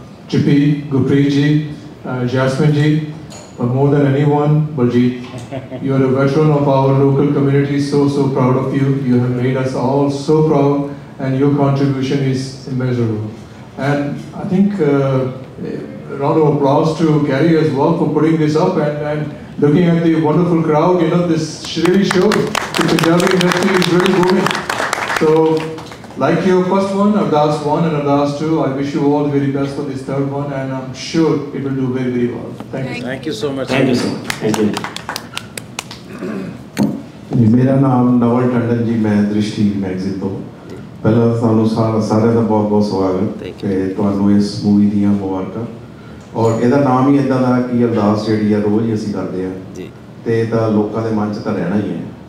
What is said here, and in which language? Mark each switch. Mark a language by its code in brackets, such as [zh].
[en] Chippy, Gurpreet ji, Jasmine ji, more than anyone, Baljit, you are a veteran of our local community, so so proud of you, you have made us all so proud, and your contribution is immeasurable, and I think round of applause to Gary as well for putting this up and looking at the wonderful crowd, you know, this really shows the Punjabi industry is really booming. So, like your first one, Ardaas 1 and Ardaas 2, I wish you all the very best for this third one and I'm sure it will do very, very well. Thank you so much. Thank you. My name is Naval Tandon Ji, I'm from [pa] ਪਹਿਲਾਂ ਸਾਨੂੰ ਸਾਰਿਆਂ ਦਾ ਬਹੁਤ ਬਹੁਤ ਸਵਾਗਤ ਅਤੇ ਤੁਹਾਨੂੰ ਇਸ movie ਦੀਆਂ ਮੁਬਾਰਕਾਂ ਔਰ ਇਹਦਾ ਨਾਮ ਹੀ ਇੱਦਾਂ ਦਾ ਕਿ ਅਰਦਾਸ ਜਿਹੜੀ ਆ ਰੋਜ਼ ਹੀ ਅਸੀਂ ਕਰਦੇ ਹਾਂ ਅਤੇ ਤਾਂ ਲੋਕਾਂ ਦੇ ਮਨ 'ਚ ਤਾਂ ਰਹਿਣਾ ਹੀ ਹੈ